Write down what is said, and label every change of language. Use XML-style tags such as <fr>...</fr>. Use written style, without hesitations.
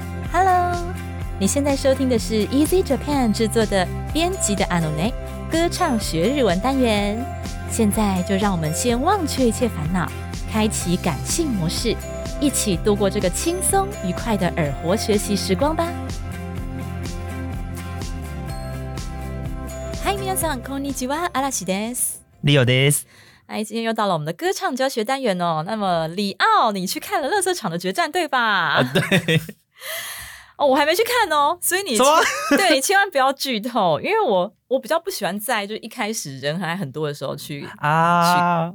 <zh>Hello， 你现在收听的是 Easy Japan 制作的编辑的阿努内歌唱学日文单元。现在就让我们先忘却一切烦恼，开启感性模式，一起度过这个轻松愉快的耳活学习时光吧。</zh> <ja>嗨，皆さん、こんにちは、嵐です。リオです。</ja> <zh>哎，今天又到了我们的歌唱教学单元哦。那么，里奥，你去看了《垃圾场的决战》对吧？对。哦，我还没去看哦，所以你什么？对，你千万不要剧透，因为我比较不喜欢在就一开始人还很多的时候去啊，</zh>